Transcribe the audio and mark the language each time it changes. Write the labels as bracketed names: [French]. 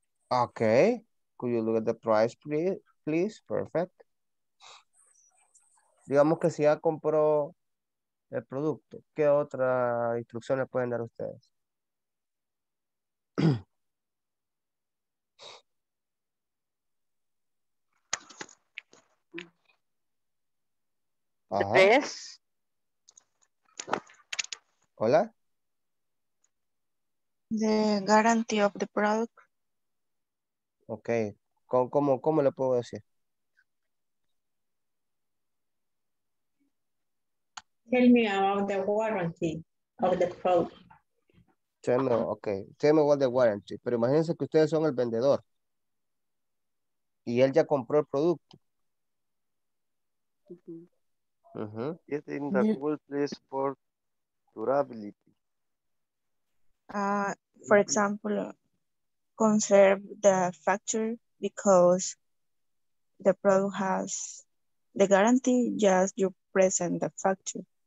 [English] Okay, could you look at the price, please? Perfect. [Spanish] Digamos que si ya compró el producto, ¿qué otra instrucción le pueden dar a ustedes? Ajá. ¿Qué es? ¿Hola? [English] The guarantee of the product. [Spanish] Ok, ¿Cómo le puedo decir? [English] Tell me about the warranty of the product. Tell me about the warranty. [Spanish] Pero imagínense que ustedes son el vendedor y él ya compró el producto. [English] Is it in the good place for durability? For example, conserve the factory because the product has the guarantee, just you present the factory.